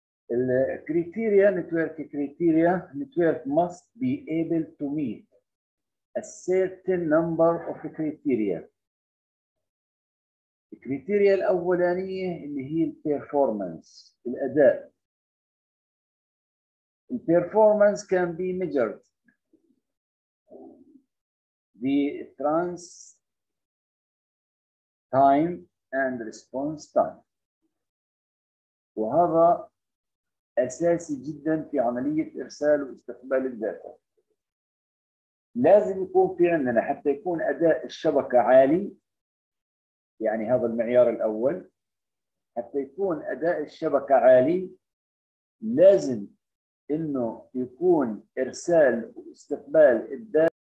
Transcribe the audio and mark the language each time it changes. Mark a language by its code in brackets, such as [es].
[en] الكريتيريا، network criteria, network must be able to meet a certain number of criteria. [ar] الكريتيريا الأولانية اللي هي performance، الأداء. [en] Performance can be measured the trans time and response time. [ar] وهذا أساسي جداً في عملية إرسال واستقبال الداتا. لازم يكون في عندنا حتى يكون أداء الشبكة عالي، يعني هذا المعيار الأول، حتى يكون أداء الشبكة عالي لازم إنه يكون إرسال واستقبال الداتا